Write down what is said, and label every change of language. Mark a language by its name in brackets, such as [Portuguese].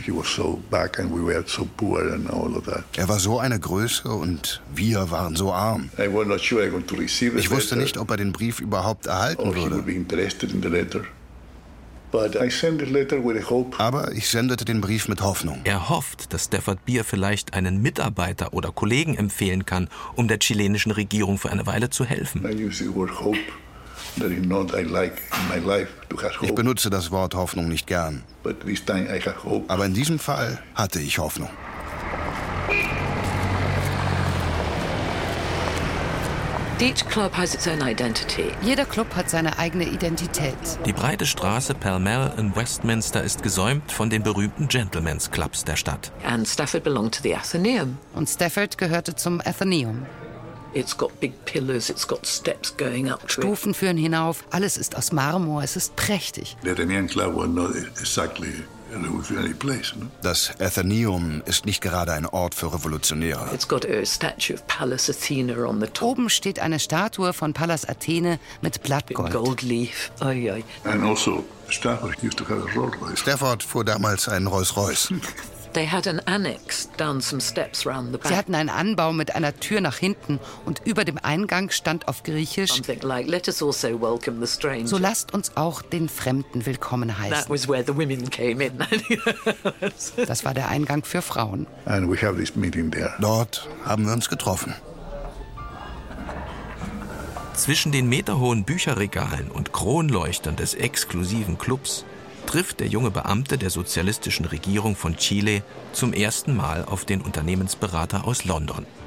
[English] He was so big and we were so poor and all of that. [German] Er war so eine Größe und wir waren so arm. [English] I was not sure I was going to receive it. [German] Ich wusste nicht, ob er den Brief überhaupt erhalten würde. [English] Or he would be interested in the letter. But I sent the letter with hope. [German] Aber ich sendete den Brief mit Hoffnung. Er hofft, dass Stafford Beer vielleicht einen Mitarbeiter oder Kollegen empfehlen kann, um der chilenischen Regierung für eine Weile zu helfen. [English] I use the word hope. That is not I like in my life to have hope. [German] Ich benutze das Wort Hoffnung nicht gern. [English] But this time I have hope. [German] Aber in diesem Fall hatte ich Hoffnung. [English] Each club has its own identity. [German] Jeder Club hat seine eigene Identität. Die breite Straße Pall Mall in Westminster ist gesäumt von den berühmten Gentlemen's Clubs der Stadt. [English] And Stafford belonged to the Athenaeum. [German] Und Stafford gehörte zum Athenaeum. [English] It's got big pillars, it's got steps going up. [German] Stufen führen hinauf, alles ist aus Marmor, es ist prächtig. [English] The Athenaeum Club was not exactly a revolutionary place, no? [German] Das Athenaeum ist nicht gerade ein Ort für Revolutionäre. [English] It's got a statue of Pallas Athena on the top. [German] Oben steht eine Statue von Pallas Athene mit Blattgold. [English] Gold leaf. Ay, ay. And also, Stafford used to have a Rolls-Royce. [German] Stafford fuhr damals einen Rolls-Royce. [English] They had an annex down some steps round the back. [German] Sie hatten einen Anbau mit einer Tür nach hinten und über dem Eingang stand auf Griechisch [English] something like, let us also welcome the stranger. [German] So lasst uns auch den Fremden willkommen heißen. [English] That was where the women came in. [German] Das war der Eingang für Frauen. [English] And we have this meeting there. [German] Dort haben wir uns getroffen. Zwischen den meterhohen Bücherregalen und Kronleuchtern des exklusiven Clubs trifft der junge Beamte der sozialistischen Regierung von Chile zum ersten Mal auf den Unternehmensberater aus London.